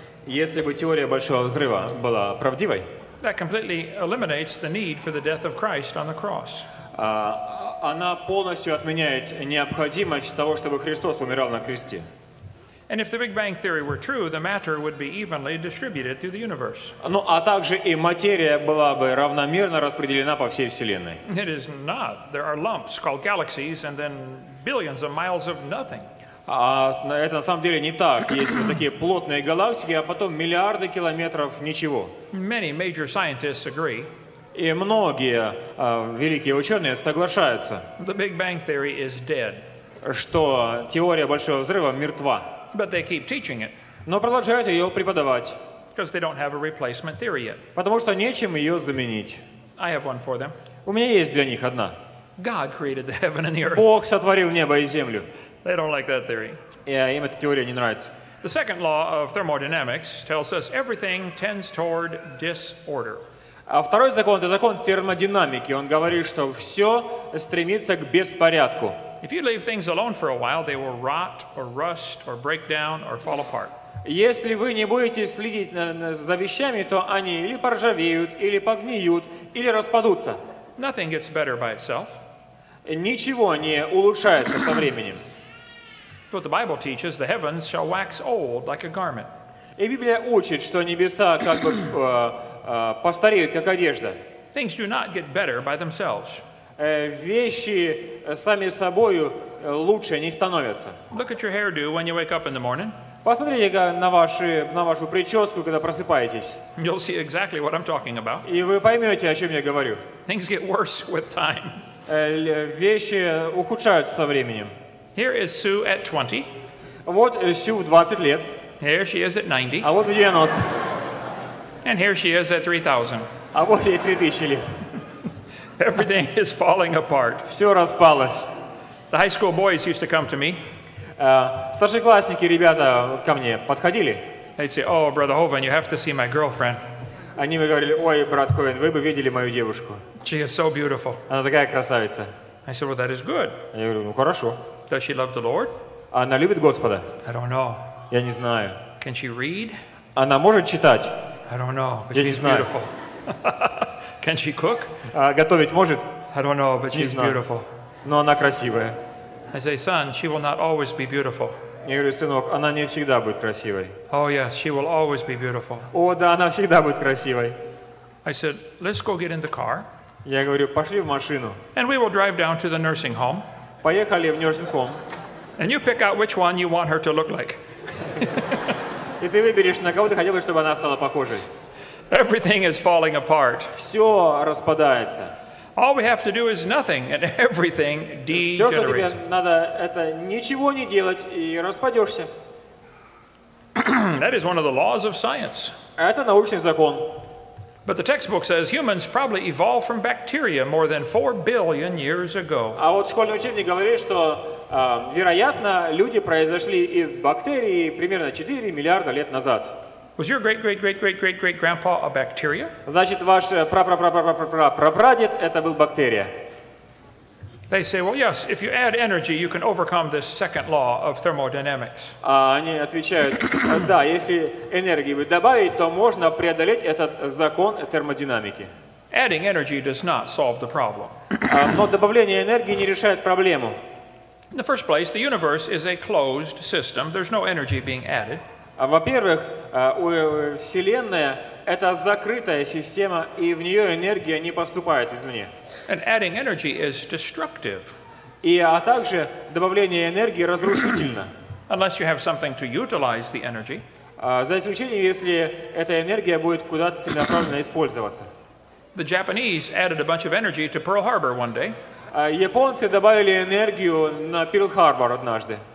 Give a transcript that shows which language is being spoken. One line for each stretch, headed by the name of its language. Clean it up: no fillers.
Russian: если бы теория Большого взрыва была правдивой,
English: that completely eliminates the need for the death of Christ on the cross.
Russian: Она полностью отменяет необходимость того, чтобы Христос умирал на кресте.
English: And if the Big Bang theory were true, the matter would be evenly distributed through the universe.
Russian: Ну, а также и материя была бы равномерно распределена по всей вселенной.
English: It is not. There are lumps called galaxies, and then billions of miles of nothing.
Russian: А это на самом деле не так. Есть такие плотные галактики, а потом миллиарды километров ничего.
English: Many major scientists agree.
Russian: И многие великие ученые соглашаются.
English: The Big Bang theory is dead.
Russian: Что теория Большого взрыва мертва.
English: But they keep teaching it.
Russian: Но продолжают ее преподавать.
English: Because they don't have a replacement theory yet.
Russian: Потому что нечем ее заменить.
English: I have one for them.
Russian: У меня есть для них одна.
English: God created the heaven and the earth.
Russian: Бог сотворил небо и землю.
English: They don't like that theory.
Russian: Yeah, им эта теория не нравится.
English: The second law of thermodynamics tells us everything tends toward disorder.
Russian: А второй закон — это закон термодинамики. Он говорит, что все стремится к беспорядку.
English: If you leave things alone for a while, they will rot or rust or break down or fall apart.
Russian: Если вы не будете следить за вещами, то они или поржавеют, или погниют, или распадутся.
English: Nothing gets better by itself.
Russian: Ничего не улучшается со временем.
English: But the Bible teaches the heavens shall wax old like a garment.
Russian: И Библия учит, что небеса как бы постареют, как одежда.
English: Things do not get better by themselves.
Russian: Вещи сами собою лучше не становятся.
English: Look at your hairdo when you wake up in the morning.
Russian: Посмотрите на вашу прическу, когда просыпаетесь.
English: You'll see exactly what I'm talking about.
Russian: И вы поймете, о чем я говорю.
English: Things get worse with time.
Russian: Вещи ухудшаются со временем.
English: Here is Sue at 20.
Russian: Вот Сю в 20 лет.
English: Here she is at 90.
Russian: А вот в 90.
English: And here she is at 3000.
Russian: А вот ей 3000 лет.
English: Everything is falling apart.
Russian: Все распалось.
English: The high school boys used to come to me.
Russian: Старшеклассники, ребята, ко мне подходили.
English: They'd say, "Oh, brother Hovind, you have to see my girlfriend."
Russian: Они мне говорили: "Ой, брат Ховен, вы бы видели мою девушку."
English: She is so beautiful.
Russian: Она такая красавица.
English: I said, "Well, that is good."
Russian: Я говорю: "Ну, хорошо."
English: Does she love the Lord?
Russian: Она любит Господа?
English: I don't know.
Russian: Я не знаю.
English: Can she read?
Russian: Она может читать?
English: I don't know, but
Russian: Я
English: she's beautiful. Can she cook?
Russian: Готовить может?
English: I don't know, but she's beautiful.
Russian: Но она красивая.
English: I say, son, she will not always be beautiful.
Russian: Я говорю: сынок, она не всегда будет красивой.
English: Oh yes, she will always be beautiful.
Russian: О, да, она всегда будет красивой.
English: I said, let's go get in the car.
Russian: Я говорю: пошли в машину.
English: And we will drive down to the nursing home.
Russian: Поехали в
English: nursing home. And you pick out which one you want her to look like.
Russian: И ты выберешь, на кого ты хотел бы, чтобы она стала похожей.
English: Everything is falling apart.
Russian: Все распадается.
English: All we have to do is nothing, and everything degenerates.
Russian: Все, что тебе надо, это ничего не делать, и распадешься.
English: That is one of the laws of science.
Russian: Это научный закон.
English: But the textbook says humans probably evolved from bacteria more than 4 billion years ago.
Russian: А вот школьный учебник говорит, что вероятно, люди произошли из бактерий примерно 4 миллиарда лет назад.
English: Was your great-great-great-great-great-great-grandpa a bacteria?
Russian: Значит, ваш прапрапрапрапрапрапрапрапрадед это был бактерия.
English: They say, well, yes, if you add energy, you can overcome this second law of thermodynamics.
Russian: Они отвечают: да, если энергии вы добавить, то можно преодолеть этот закон термодинамики.
English: Adding energy does not solve the problem.
Russian: Но добавление энергии не решает проблему.
English: In the first place, the universe is a closed system. There's no energy being added.
Russian: Во-первых, Вселенная — это закрытая система, и в нее энергия не поступает извне.
English: And adding energy is destructive.
Russian: А также добавление энергии разрушительно.
English: Unless you have something to utilize the energy.
Russian: За исключением, если эта энергия будет куда-то целенаправленно использоваться.
English: The Japanese added a bunch of energy to Pearl Harbor one day.
Russian: Японцы добавили энергию на Пирл-Харбор однажды.